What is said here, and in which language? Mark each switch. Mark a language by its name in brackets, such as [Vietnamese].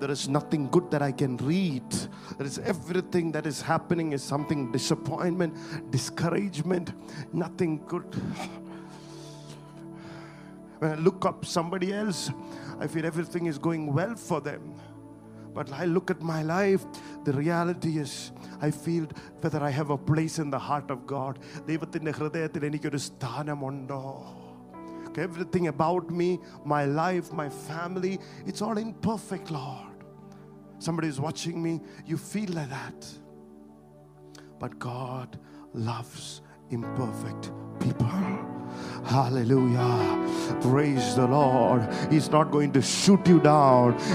[English] There is nothing good that I can read. There is everything that is happening is something disappointment, discouragement, nothing good. When I look up somebody else, I feel everything is going well for them. But I look at my life, the reality is I feel whether I have a place in the heart of God. [Malayalam] ദൈവത്തിന്റെ ഹൃദയത്തിൽ എനിക്കൊരു സ്ഥാനമുണ്ടോ? [English] Everything about me, my life, my family, it's all imperfect, Lord. Somebody is watching me, you feel like that. But God loves imperfect people. Hallelujah. Praise the Lord. He's not going to shoot you down.